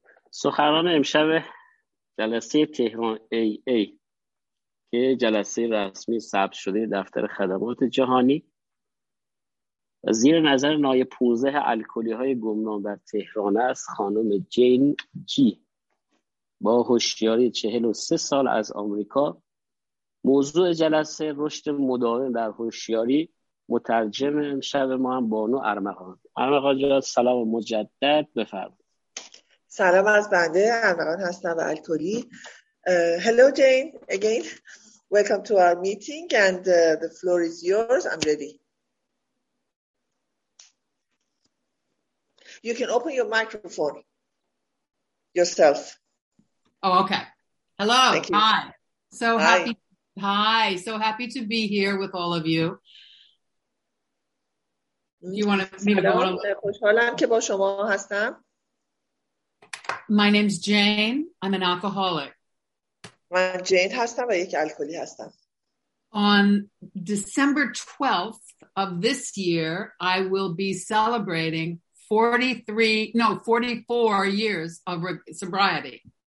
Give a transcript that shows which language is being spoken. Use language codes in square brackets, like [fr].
[fa] سخنران امشب جلسه تهران ای که جلسه رسمی ثبت شده دفتر خدمات جهانی و زیر نظر نایب 15 الکلی های گمنام در تهران است، خانم جین جی با هوشیاری 43 سال از آمریکا. موضوع جلسه رشد مداوم در هوشیاری. مترجم امشب ما هم بانو ارمغان. ارمغان جان سلام مجدد، بفرمایید. سلام از بنده ارمغان هستم و الکلی. [en] Hello Jane, again welcome to our meeting and the floor is yours. I'm ready. You can open your microphone yourself. Oh, okay. Hello. Thank you. Hi. So happy. Hi. So happy to be here with all of you. You want to meet [fa] me? خوشحالم که با شما هستم. [en] My name's Jane. I'm an alcoholic. [fa] من جین هستم و یک الکلی هستم. [en] On December 12th of this year, I will be celebrating 44 years of sobriety.